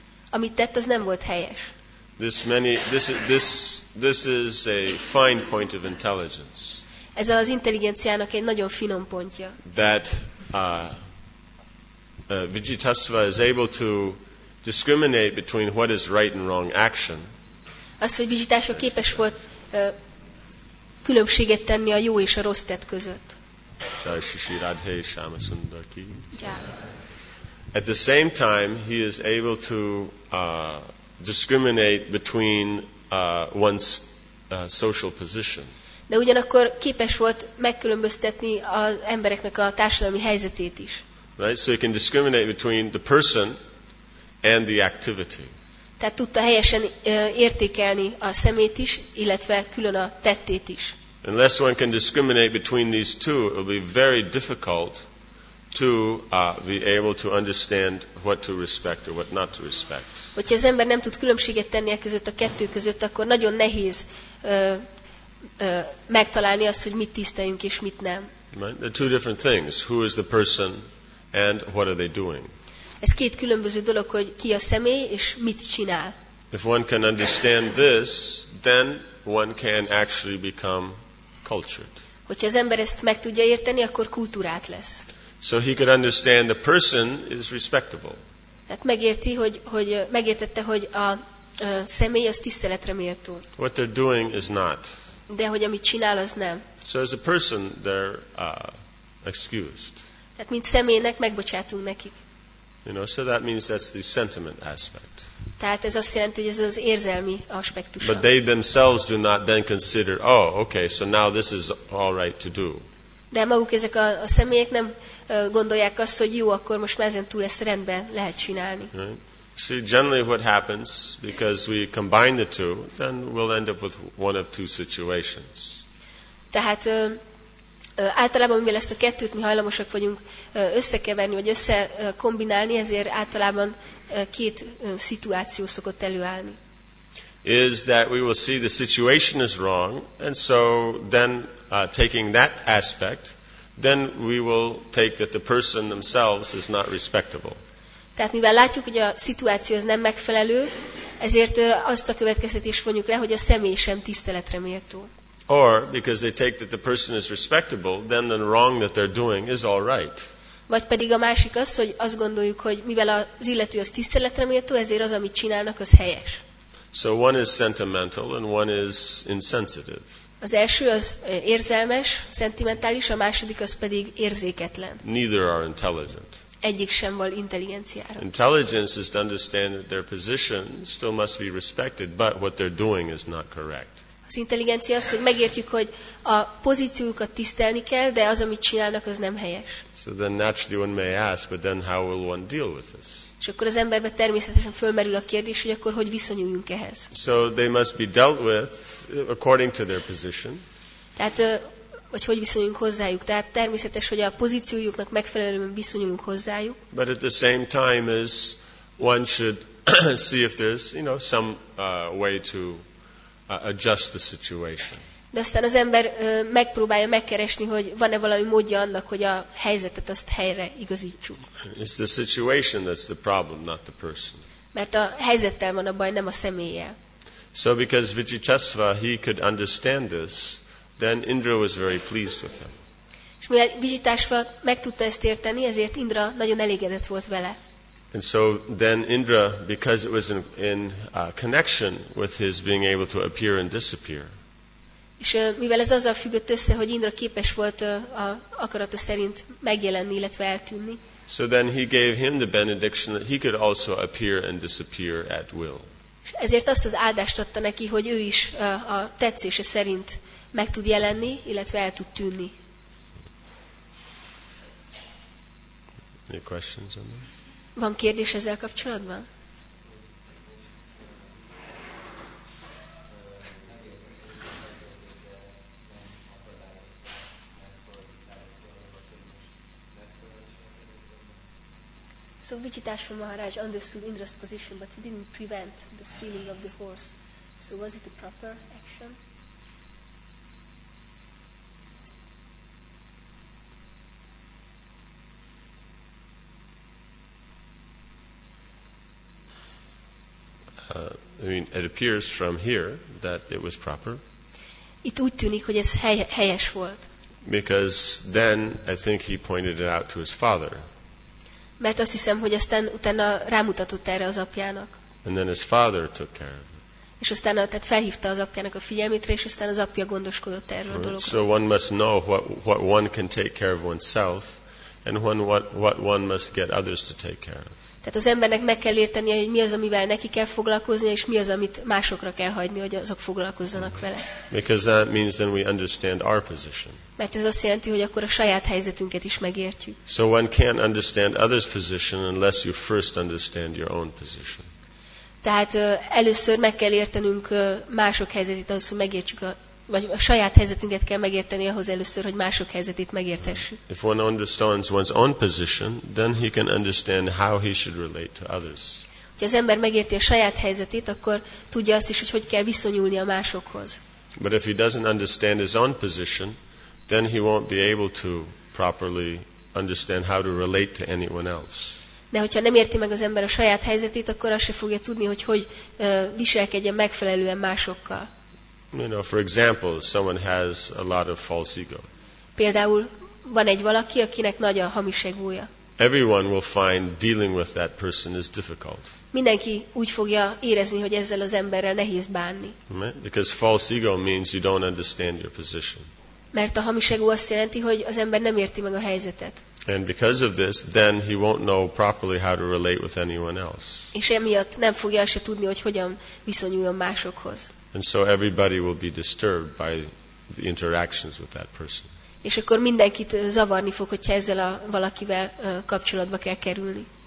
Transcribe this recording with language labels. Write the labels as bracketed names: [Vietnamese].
[Hungarian] Amit tett, az nem volt helyes. [English] This is a fine point of intelligence. [Hungarian] Ez az intelligenciának egy nagyon finom pontja. [English] That Vijitasva is able to discriminate between what is right and wrong action. [Hungarian] Az, hogy Vijitasva képes volt különbséget tenni a jó és a rossz tett között. [Hindi] Jai Shri Radhe Shyama Sundar ki. [English] At the same time, he is able to discriminate between one's social position. [Hungarian] De ugyanakkor képes volt megkülönböztetni az embereknek a társadalmi helyzetét is. [English] Right, so you can discriminate between the person and the activity. [Hungarian] Tehát tudta helyesen értékelni a szemét is, illetve külön a tettét is. [English] Unless one can discriminate between these two, it will be very difficult to be able to understand what to respect or what not to respect. [Hungarian] Hogyha az ember nem tud különbséget tenni a között a kettő között, akkor nagyon nehéz megtalálni azt, hogy mit tiszteljünk és mit nem. [English] Right? They're two different things. Who is the person and what are they doing? [Hungarian] Ez két különböző dolog, hogy ki a személy és mit csinál. [English] If one can understand this, then one can actually become cultured. [Hungarian] Hogyha az ember ezt meg tudja érteni, akkor kultúrát lesz. [English] So he could understand the person is respectable. [Hungarian] Tehát megérti, hogy megértette, hogy a személy az tiszteletre méltó. [English] What they're doing is not. [Hungarian] De hogy amit csinál, az nem. [English] So as a person, they're excused. [Hungarian] Tehát mint személynek megbocsátunk nekik. [English] You know, so that means that's the sentiment aspect. [Hungarian] Tehát ez azt jelenti, hogy ez az érzelmi aspektus. [English] But they themselves do not then consider, oh, okay, so now this is all right to do. [Hungarian] De maguk ezek a személyek nem gondolják azt, hogy jó, akkor most már ezen túl ezt rendben lehet csinálni. [English] Right? See, generally what happens, because we combine the two, then we'll end up with one of two situations. [Hungarian] Tehát általában, mivel ezt a kettőt mi hajlamosak vagyunk összekeverni, vagy összekombinálni, ezért általában két szituáció szokott előállni. [English] Is that we will see the situation is wrong, and so then taking that aspect, then we will take that the person themselves is not respectable. [Hungarian] Tehát mivel látjuk, hogy a szituáció az nem megfelelő, ezért azt a következtetést vonjuk le, hogy a személy sem tiszteletre méltó. [English] Or because they take that the person is respectable, then the wrong that they're doing is all right. [Hungarian] Vagy pedig a másik az, hogy azt gondoljuk, hogy mivel az illető az tiszteletre méltó, ezért az, amit csinálnak, az helyes. [English] So one is sentimental and one is insensitive. [Hungarian] Az első az érzelmes, szentimentális, a második az pedig érzéketlen. [English] Neither are intelligent. [Hungarian] egyik sem volt intelligenciára. [English] Intelligence is to understand that their position still must be respected, but what they're doing is not correct. [Hungarian] Az intelligencia az, hogy megértjük, hogy a pozíciókat tisztelni kell, de az, amit csinálnak, az nem helyes. [English] So then naturally one may ask, but then how will one deal with this? [Hungarian] És akkor az emberben természetesen fölmerül a kérdés, hogy akkor hogy viszonyuljunk ehhez. [English] So they must be dealt with according to their position. [Hungarian] Tehát, hogy hogy viszonyulunk hozzájuk. Tehát természetes, hogy a pozíciójuknak megfelelően viszonyulunk hozzájuk. [English] But at the same time is one should see if there's, you know, some way to adjust the situation. [Hungarian] De aztán az ember megpróbálja megkeresni, hogy van-e valami módja annak, hogy a helyzetet azt helyre igazítsuk. [English] It's the situation that's the problem, not the person. [Hungarian] Mert a helyzettel van a baj, nem a személlyel. [English] So because Vichitasva, he could understand this, then Indra was very pleased with him. [Hungarian] És mivel Vichitasva meg tudta ezt érteni, ezért Indra nagyon elégedett volt vele. [English] And so then Indra, because it was in connection with his being able to appear and disappear. [Hungarian] És mivel ez azzal függött össze, hogy Indra képes volt a akarata szerint megjelenni, illetve eltűnni. [English] So then he gave him the benediction that he could also appear and disappear at will. [Hungarian] És ezért azt az áldást adta neki, hogy ő is a tetszése szerint meg tud jelenni, illetve el tud tűnni. [English] Any questions on that? [Hungarian] Van kérdés ezzel kapcsolatban? [English] So Vichitasva Maharaj understood Indra's position, but he didn't prevent the stealing of the horse. So was it a proper action? It appears from here that it was proper. [Hungarian] Itt úgy tűnik, hogy ez helyes volt. [English] Because then I think he pointed it out to his father. [Hungarian] Mert azt hiszem, hogy aztán utána rámutatott erre az apjának. [English] And then his father took care of it. [Hungarian] És aztán tehát felhívta az apjának a figyelmétre, és aztán az apja gondoskodott erről a dologról. [English] So one must know what one can take care of oneself, and what one must get others to take care of. [Hungarian] Tehát az embernek meg kell értenie, hogy mi az, amivel neki kell foglalkoznia, és mi az, amit másokra kell hagyni, hogy azok foglalkozzanak vele. [English] Because that means then we understand our position. [Hungarian] Mert ez azt jelenti, hogy akkor a saját helyzetünket is megértjük. [English] So one can't understand others' position unless you first understand your own position. [Hungarian] Tehát először meg kell értenünk mások helyzetét, ahhoz, hogy megértsük vagy a saját helyzetünket kell megérteni ahhoz először, hogy mások helyzetét megértessük. [English] If one understands one's own position, then he can understand how he should relate to others. [Hungarian] Ha az ember megérti a saját helyzetét, akkor tudja azt is, hogy hogy kell viszonyulni a másokhoz. [English] But if he doesn't understand his own position, then he won't be able to properly understand how to relate to anyone else. [Hungarian] De hogyha nem érti meg az ember a saját helyzetét, akkor azt se fogja tudni, hogy viselkedjen megfelelően másokkal. [English] You know, for example, someone has a lot of false ego. [Hungarian] Például van egy valaki, akinek nagy a hamis egója. [English] Everyone will find dealing with that person is difficult. [Hungarian] Mindenki úgy fogja érezni, hogy ezzel az emberrel nehéz bánni. [English] Because false ego means you don't understand your position. [Hungarian] Mert a hamis egó azt jelenti, hogy az ember nem érti meg a helyzetet. [English] And because of this, then he won't know properly how to relate with anyone else. [Hungarian] És emiatt nem fogja se tudni, hogy hogyan viszonyuljon másokhoz. [English] And so everybody will be disturbed by the interactions with that person. [Hungarian] És akkor mindenkit zavarni fog, hogyha ezzel a valakivel kapcsolatba kell kerülni.